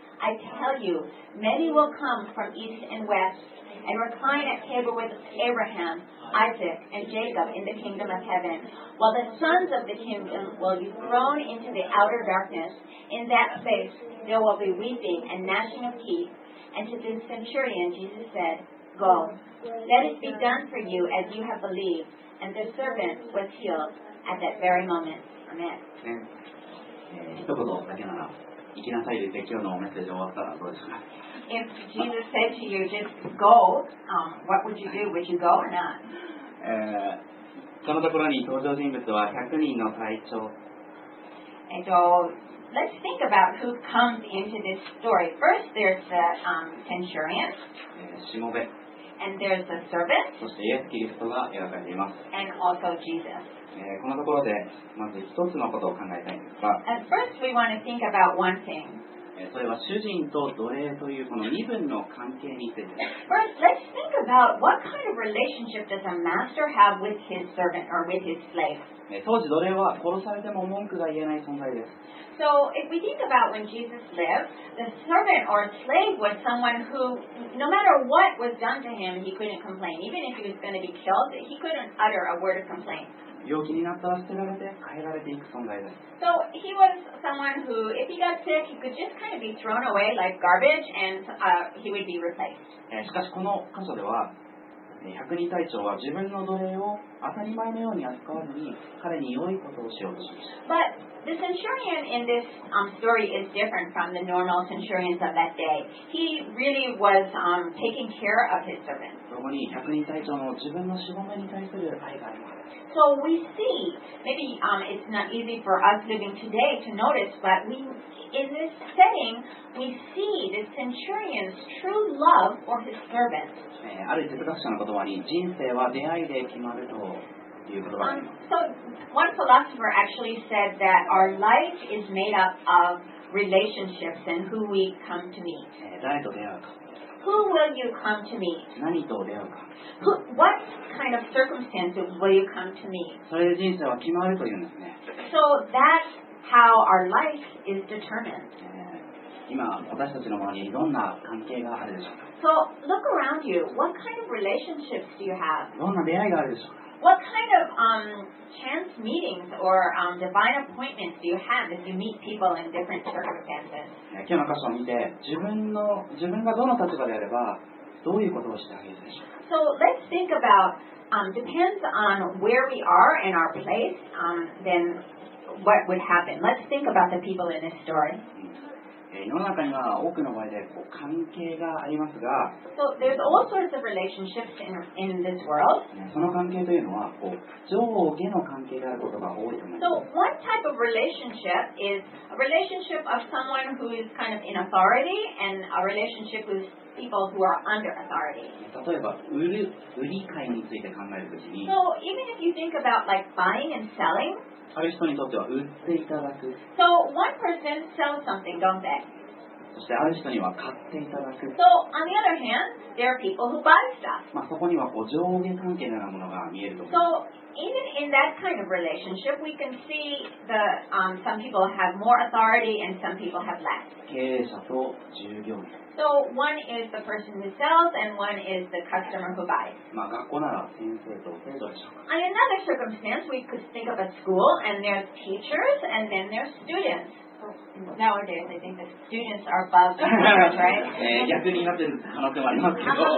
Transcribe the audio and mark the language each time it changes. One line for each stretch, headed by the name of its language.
English: I tell you, many will come from east and west and recline at table with Abraham, Isaac, and Jacob in the kingdom of heaven, while the sons of the kingdom will be thrown into the outer darkness. In that place there will be weeping and gnashing of teeth. And to the centurion Jesus said, Go, let it be done for you as you have believed. And the servant was healed at that very moment. Amen.、
Japanese: ね一言だけなら行きなさいで今日のメッセージ終わったらどうですか
English: If Jesus said to you, just go,、what would you do? Would you go or not?、
Japanese: そのところに登場人物は100人の隊長
English: And so, let's think about who comes into this story. First, there's the、centurion.
Japanese: しもべ
English: And there's the servant.
Japanese: そしてイエス・キリストが選ばれています
English: And also Jesus.
Japanese: このところでまず一つのことを考えたいんですが
English: At first we want to think about one thing.
Japanese: それは主人と奴隷というこの身分の関係についてです
English: First, let's think about what kind of relationship does a master have with his servant or with his slave?
Japanese: 当時奴隷は殺されても文句が言えない存在です
English: So if we think about when Jesus lived, the servant or slave was someone who, no matter what was done to him, he couldn't complain. Even if he was going to be killed, he couldn't utter a word of complaint.
Japanese: 病気になったら捨てられて変えられていく存在です。
English: So he was someone who, if he got sick, he could just kind of be thrown away like garbage, and he would be replaced.
Japanese: しかしこの箇所では、百人隊長は自分の奴隷を当たり前のように扱わずに彼に良いことをしようとしました。
English: But the centurion in this story is different from the normal centurions of that day. He really was taking care of his servant.
Japanese: そこに百人隊長の自分のしもべに対する愛があります。
English: So we see, maybe it's not easy for us living today to notice, but we, in this setting, we see the centurion's true love for his servant.
Japanese: ある哲学者の言葉に、人生は出会いで決まるという言葉があります。
English: So one philosopher actually said that our life is made up of relationships and who we come to meet.
Japanese: 誰と出会うか。
English: Who will you come to meet?
Japanese: 何と出会うか。
English: What kind of circumstances will you come to me?
Japanese: それで人生は決まるというんですね。
English: So that's how our life is determined.
Japanese: 今私たちの周りにどんな関係があるでしょうか。
English: So look around you. What kind of relationships do you have?
Japanese: どんな出会いがあるでしょうか。
English: What kind of chance meetings or divine appointments do you have as you meet people in different circumstances?
Japanese: 今日の箇所を見て、自分がどの立場であればどういうことをしてあげるでしょうか。
English: So let's think about, depends on where we are in our place, then what would happen. Let's think about the people in this story.
Japanese: 世の中には多くの場合でこう関係がありますが、
English: So there's all sorts of relationships in this world.
Japanese: その関係というのはこう上下の関係であることが多いと思います。
English: So one type of relationship is a relationship of someone who is kind of in authority and a relationship with people who are under authority.
Japanese: 例えば売り買いについて考えるときに、
English: So even if you think about like buying and selling,
Japanese: ある人にとっては売っていただく。
English: So one person sells something, don't they?
Japanese: そしてある人には買っていただく。
English: So on the other hand, there are people who buy stuff.
Japanese: まあそこにはこう上下関係のようなものが見えると。
English: So even in that kind of relationship, we can see the some people have more authority and some people have less.
Japanese: 経営者と従業員。
English: So one is the person who sells and one is the customer who buys.
Japanese: まあ学校なら先生と生徒でしょうか。
English: In another circumstance, we could think of a school and there's teachers and then there's students. Nowadays, I think the students are above the teachers, right?
Japanese: 逆になってる可能性もありますけど。